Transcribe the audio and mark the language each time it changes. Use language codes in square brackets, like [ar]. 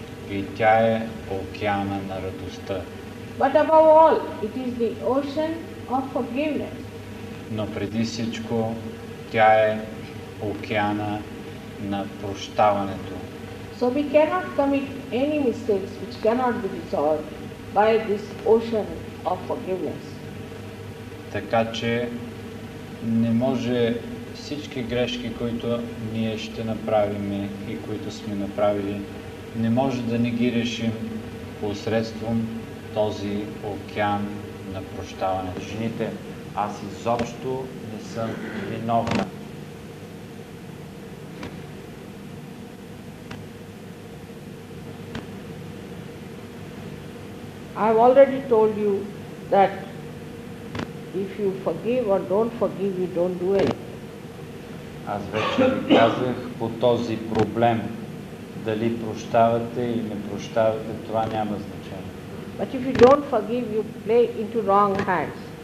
[bg] И тя е океана на радостта. [en] But above all, it is the ocean of forgiveness. [bg] Но преди всичко, тя е океана на прощаването. [en] So we cannot commit any mistakes which cannot be resolved by this ocean of forgiveness. [bg] Така че не може всички грешки, които ние ще направим и които сме направили, не може да не ги решим посредством този океан на прощаване. Жените, аз изобщо не съм виновна. [en] I have already told you that if you forgive or don't forgive, you don't do it. [bg] Аз вече ви казах по този проблем. Дали прощавате или не прощавате, това няма значение. [en] But if you don't forgive, you play into wrong hands.